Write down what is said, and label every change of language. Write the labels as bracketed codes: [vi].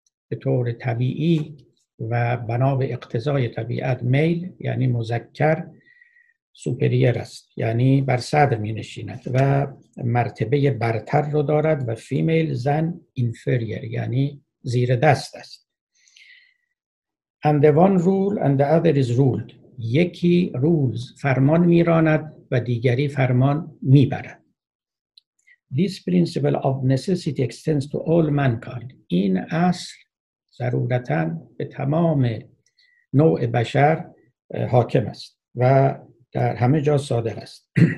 [fa] به طور طبیعی و بنا به اقتضای طبیعت میل یعنی مذکر سوپریر است، یعنی بر صدر می نشیند و مرتبه برتر رو دارد و فیمیل زن اینفریر یعنی زیر دست است. [en] And the one rule and the other is ruled. [fa] یکی rules فرمان می راند و دیگری فرمان می برد. [en] This principle of necessity extends to all mankind. [fa] این اصل ضرورتاً به تمام نوع بشر حاکم است و در همه جا صادر است.